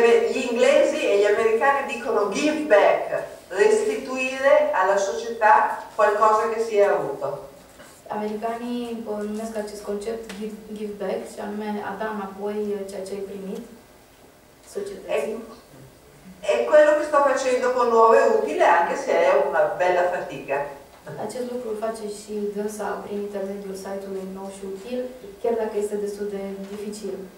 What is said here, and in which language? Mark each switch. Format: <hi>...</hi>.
<it>Gli inglesi e gli americani dicono give back, restituire alla società qualcosa che si è avuto.</it> <ro>Americanii numesc acest concept give back, și anume a da înapoi ceea ce ai primit societății.</ro> <it>È quello che sto facendo con Nuove Utile, anche se è una bella fatica.</it> <ro>Acest lucru îl face și dânsa prin intermediul site-ului Nou și Util, chiar dacă este destul de dificil.</ro>